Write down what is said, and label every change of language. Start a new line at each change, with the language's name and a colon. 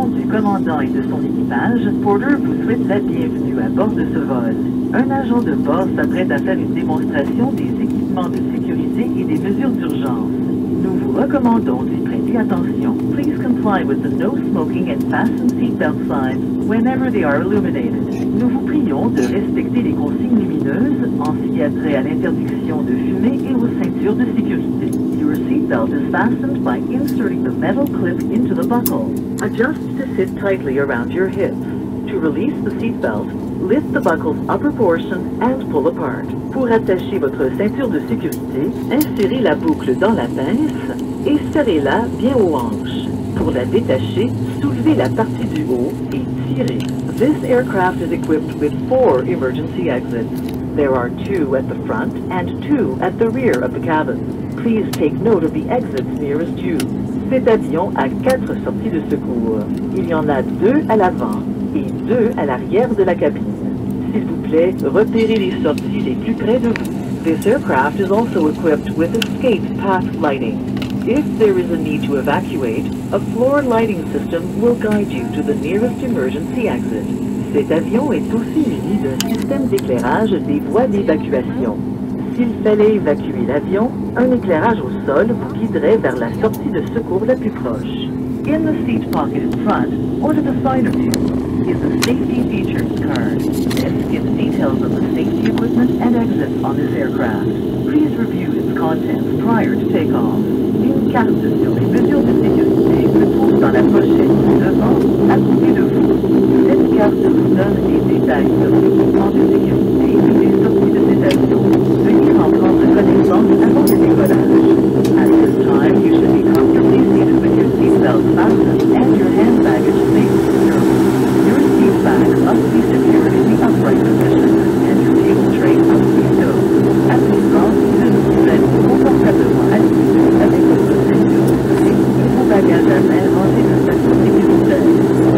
French: commandant et de son équipage, Porter vous souhaite la bienvenue à bord de ce vol. Un agent de bord s'apprête à faire une démonstration des équipements de sécurité et des mesures d'urgence. Nous vous recommandons d'y prêter attention.
English: Please comply with the no smoking and fasten seatbelt signs whenever they are illuminated.
French: Nous vous prions de respecter les consignes lumineuses en ce qui a trait à l'interdiction de fumer et aux ceintures de sécurité.
English: Your seatbelt is fastened by inserting the metal clip into the buckle. Adjust to sit tightly around your hips. To release the seatbelt, lift the buckle's upper portion and pull apart.
French: Pour attacher votre ceinture de sécurité, insérez la boucle dans la pince et serrez-la bien aux hanches. Pour la détacher, soulevez la partie du haut et tirez.
English: This aircraft is equipped with 4 emergency exits. There are 2 at the front and 2 at the rear of the cabin. Please take note of the exits nearest you.
French: Cet avion a 4 sorties de secours. Il y en a 2 à l'avant et 2 à l'arrière de la cabine. S'il vous plaît, repérez les sorties les plus près de vous.
English: This aircraft is also equipped with escape path lighting. If there is a need to evacuate, a floor lighting system will guide you to the nearest emergency exit.
French: Cet avion est aussi muni d'un système d'éclairage des voies d'évacuation. S'il fallait évacuer l'avion, un éclairage au sol vous guiderait vers la sortie de secours la plus proche.
English: In the seat pocket in front, or to the side of you, is a safety features card. This gives details of the safety equipment and exits on this aircraft. Please review its contents prior to takeoff.
French: Une carte sur les mesures de sécurité se trouve dans la pochette devant, à côté de vous. Cette carte vous donne des détails sur les équipements de sécurité et les sorties de cet avion. Veuillez en prendre connaissance avant le décollage.
English: At this time, you should be comfortably seated with your seatbelt fastened and your hand baggage safely secured. Your seat bag must be secured in the upright position and your table tray must be stowed. At this moment, you should be ready to move on to the one and use it as a good position. Take your bagage and then on to the second.